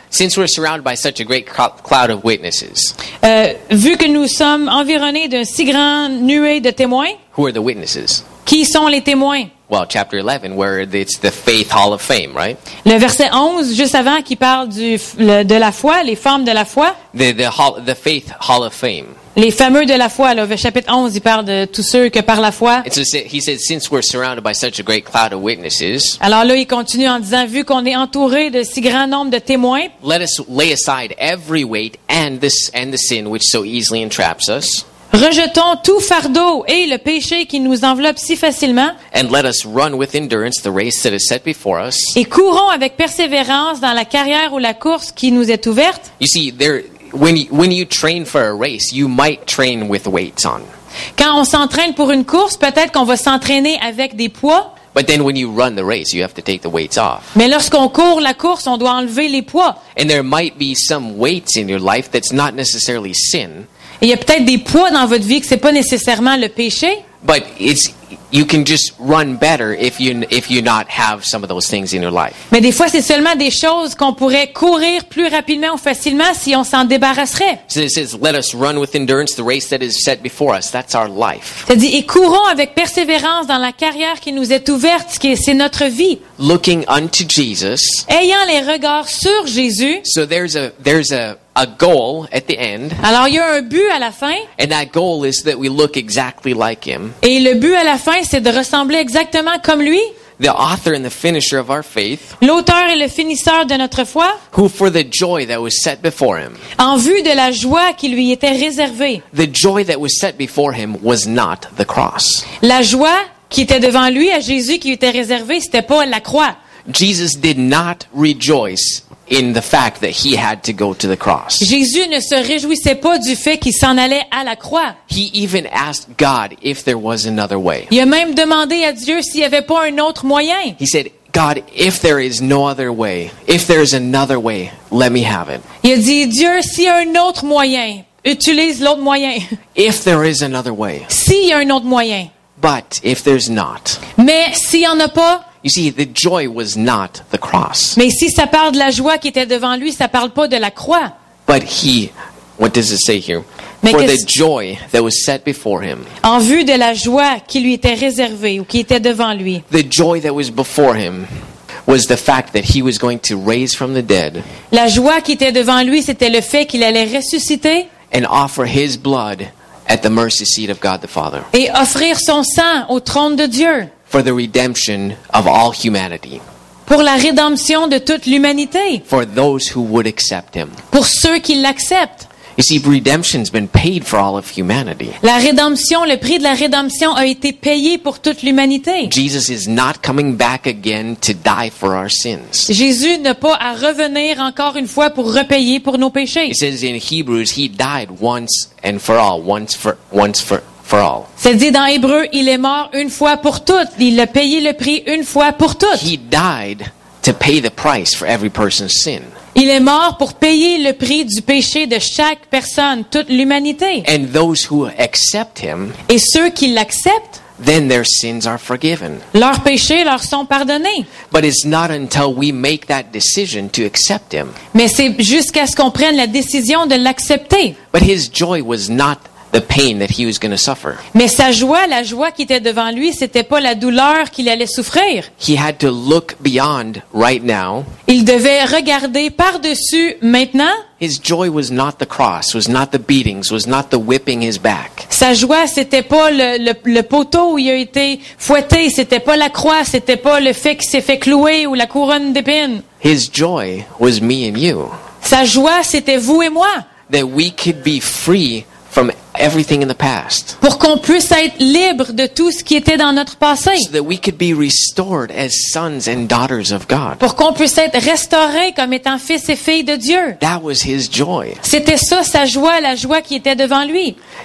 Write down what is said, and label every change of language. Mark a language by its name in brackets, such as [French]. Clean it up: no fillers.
[English] Since we're surrounded by such a great cloud of witnesses. [French] Vu que nous sommes environnés d'un si grand nuée de témoins. [English] Who are the witnesses? [French] Qui sont les témoins? [English] Well, chapter 11, where it's the Faith Hall of Fame, right? [French] Le verset 11, juste avant, qui parle de la foi, les formes de la foi. [English] The Faith Hall of Fame. [French] Les fameux de la foi, là, au chapitre 11, il parle de tous ceux que par la foi. Alors là, il continue en disant, vu qu'on est entouré de si grand nombre de témoins, [English] let us lay aside every weight and the sin which so easily entraps us. [French] Rejetons tout fardeau et le péché qui nous enveloppe si facilement. [English] And let us run with endurance the race that is set before us. [French] Et courons avec persévérance dans la carrière ou la course qui nous est ouverte. [English] You see, there. When you train for a race, you might train with weights on. [French] Quand on s'entraîne pour une course, peut-être qu'on va s'entraîner avec des poids. [English] But then when you run the race, you have to take the weights off. [French] Mais lorsqu'on court la course, on doit enlever les poids. [English] And there might be some weights in your life that's not necessarily sin. [French] Et il y a peut-être des poids dans votre vie que c'est pas nécessairement le péché. [English] But it's you can just run better if you not have some of those things in your life. [French] Mais des fois, c'est seulement des choses qu'on pourrait courir plus rapidement ou facilement si on s'en débarrasserait. [English] So it says, let us run with endurance the race that is set before us. That's our life. [French] Ça dit, et courons avec persévérance dans la carrière qui nous est ouverte, qui c'est notre vie. [English] Looking unto Jesus. [French] Ayant les regards sur Jésus. [English] So there's a goal at the end. [French] Alors il y a un but à la fin. [English] And that goal is that we look exactly like him. [French] Et le but à la fin, c'est de ressembler exactement comme lui. [English] The author and the finisher of our faith. [French] L'auteur et le finisseur de notre foi. [English] Who for the joy that was set before him. [French] En vue de la joie qui lui était réservée. [English] The joy that was set before him was not the cross. [French] La joie qui était devant lui à Jésus qui lui était réservée, c'était pas la croix. [English] Jesus did not rejoice in the fact that he had to go to the cross. [French] Jésus ne se réjouissait pas du fait qu'il s'en allait à la croix. [English] He even asked God if there was another way. [French] Il a même demandé à Dieu s'il n'y avait pas un autre moyen. [English] He said, God, if there is no other way, if there is another way, let me have it. [French] Il a dit, Dieu, s'il y a un autre moyen, utilise l'autre moyen. [English] If there is another way. [French] S'il y a un autre moyen. [English] But if there's not. [French] Mais s'il y en a pas. [English] You see, the joy was not the cross. [French] Mais si ça parle de la joie qui était devant lui, ça parle pas de la croix. [English] But he, what does it say here? [French] Mais [English] for the joy that was set before him. [French] En vue de la joie qui lui était réservée ou qui était devant lui. [English] The joy that was before him was the fact that he was going to raise from the dead. [French] La joie qui était devant lui, c'était le fait qu'il allait ressusciter. [English] And offer his blood at the mercy seat of God the Father. [French] Et offrir son sang au trône de Dieu. [English] For the redemption of all humanity. [French] Pour la rédemption de toute l'humanité. [English] For those who would accept him. [French] Pour ceux qui l'acceptent. [English] You see, redemption's been paid for all of humanity. [French] La rédemption, le prix de la rédemption a été payé pour toute l'humanité. [English] Jesus is not coming back again to die for our sins. [French] Jésus n'est pas à revenir encore une fois pour repayer pour nos péchés. [English] It says in Hebrews, he died once and for all, once for all. [French] C'est-à-dire dans Hébreux, il est mort une fois pour toutes. Il a payé le prix une fois pour toutes. [English] He died to pay the price for every person's sin. [French] Il est mort pour payer le prix du péché de chaque personne, toute l'humanité. [English] And those who accept him, [French] et ceux qui l'acceptent, [English] then their sins are forgiven. [French] Leurs péchés leur sont pardonnés. [English] But it's not until we make that decision to accept him. [French] Mais c'est jusqu'à ce qu'on prenne la décision de l'accepter. [English] But his joy was not the pain that he was going to suffer. [French] Mais sa joie, la joie qui était devant lui, c'était pas la douleur qu'il allait souffrir. [English] He had to look beyond right now. [French] Il devait regarder par-dessus maintenant. [English] His joy was not the cross, was not the beatings, was not the whipping his back. [French] Sa joie, c'était pas le poteau où il a été fouetté, c'était pas la croix, c'était pas le fait qu'il s'est fait clouer ou la couronne d'épines. [English] His joy was me and you. [French] Sa joie, c'était vous et moi. [English] That we could be free from everything in the past. [French] Pour qu'on puisse être libre de tout ce qui était dans notre passé. [English] So that we could be restored as sons and daughters of God. [French] Pour qu'on puisse être restauré comme étant fils et filles de Dieu. [English] That was his joy. [French] C'était ça sa joie, la joie qui était devant lui.